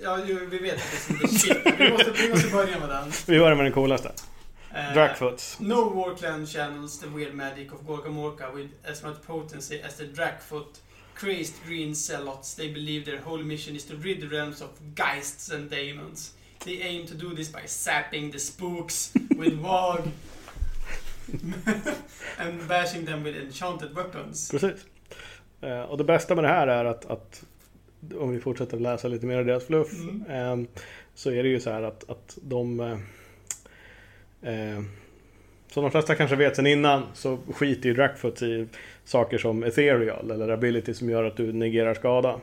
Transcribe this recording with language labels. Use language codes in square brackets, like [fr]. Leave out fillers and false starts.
[sv] Ja, vi vet att det är [en] the shit. [sv] Vi måste börja med den. Vi börjar med den coolaste. Dragfoots. [en] No Warclan channels the weird magic of Gorgamorka with as much potency as the Dragfoot crazed green zealots. They believe their whole mission is to rid the realms of geists and demons. They aim to do this by zapping the spooks with Vog and bashing them with enchanted weapons. [sv] Precis. Och det bästa med det här är att om vi fortsätter läsa lite mer av deras fluff, så är det ju så här att de som de flesta kanske vet sen innan, så skiter ju Dragfoot i saker som ethereal eller ability som gör att du negerar skada.